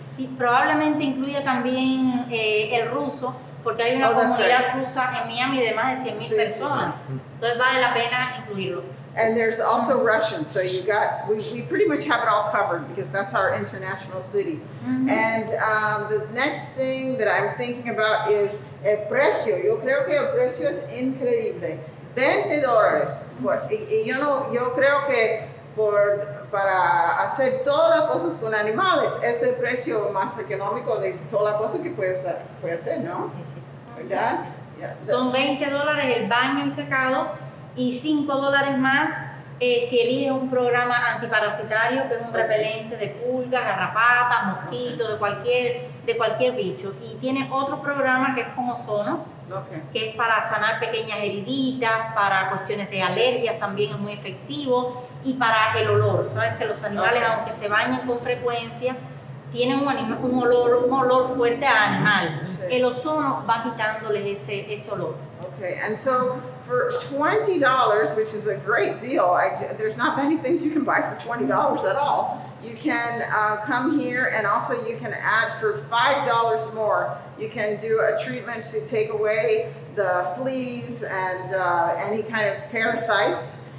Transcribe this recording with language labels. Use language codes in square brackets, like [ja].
[es] Sí, probablemente incluya también el ruso, porque hay una comunidad rusa en Miami de más de 100,000 sí, personas. Sí. Entonces vale la pena incluirlo. [en] And there's also Russian, so we pretty much have it all covered because that's our international city. Mm-hmm. And the next thing that I'm thinking about is [es] el precio. Yo creo que el precio es increíble. $20. Yo creo que para hacer todas las cosas con animales, este es el precio más económico de todas las cosas que puede hacer, ¿no? Sí, sí. ¿Verdad? [en] Yeah. [es] Son $20 el baño y secado. Y $5 más si eliges un programa antiparasitario, que es un repelente de pulgas, garrapatas, mosquitos, de cualquier bicho. Y tiene otro programa que es con ozono, que es para sanar pequeñas heriditas, para cuestiones de alergias también es muy efectivo, y para el olor. Sabes que los animales, aunque se bañen con frecuencia, tienen un olor fuerte a animal. El ozono va quitándoles ese olor. [en] Okay, and so for $20, which is a great deal, there's not many things you can buy for $20 at all. You can come here, and also you can add for $5 more. You can do a treatment to take away the fleas and any kind of parasites.